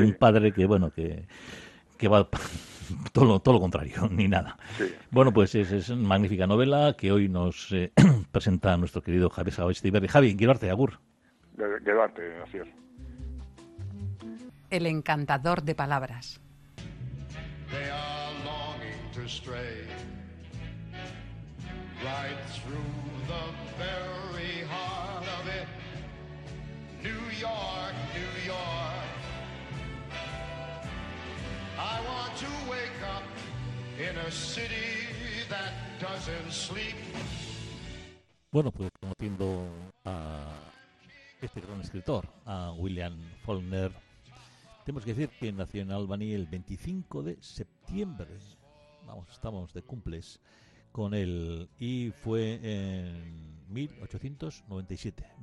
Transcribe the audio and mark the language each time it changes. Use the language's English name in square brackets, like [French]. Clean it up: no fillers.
[Spanish] Un padre que, bueno, que va todo lo contrario, ni nada. Sí. Bueno, pues es una magnífica novela que hoy nos presenta nuestro querido Javi Sabestiberri. Javi, Gilberte, agur. Gilberte, así es. El encantador de palabras. [English] They are longing to stray right through the very heart of it. New York, New York. I want to wake up in a city that doesn't sleep. [Spanish] Bueno, pues conociendo a este gran escritor, a William Faulkner. Tenemos que decir que nació en Albany el 25 de septiembre, vamos, estábamos de cumples con él, y fue en 1897.